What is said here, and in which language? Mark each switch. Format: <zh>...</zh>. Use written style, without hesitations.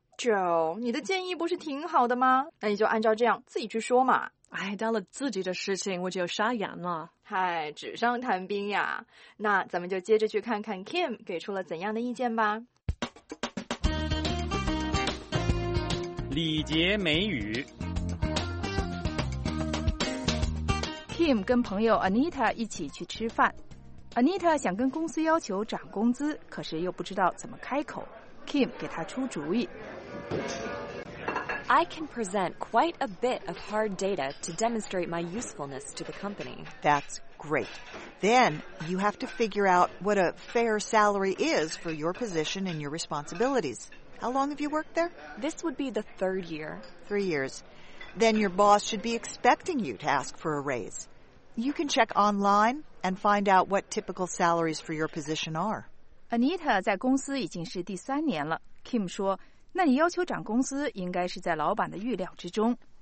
<zh>Joe, 你的建议不是挺好的吗？那你就按照这样自己去说嘛。哎，到了自己的事情，我就傻眼了。嗨，纸上谈兵呀。那咱们就接着去看看 Kim 给出了怎样的意见吧。礼节美语。 Kim 跟朋友 Anita 一起去吃饭。Anita 想跟公司要求涨工资，可是又不知道怎么开口。 Kim 给她出主意。</zh> <en>I can present quite a bit of hard data to demonstrate my usefulness to the company. That's great. Then you have to figure out what a fair salary is for your position and your responsibilities. How long have you worked there? This would be the third year. 3 years. Then your boss should be expecting you to ask for a raise. You can check online and find out what typical salaries for your position are.</en> <zh>Anita 在公司已经是第三年了。 Kim 说那你要求涨工资应该是在老板的预料之中。</zh>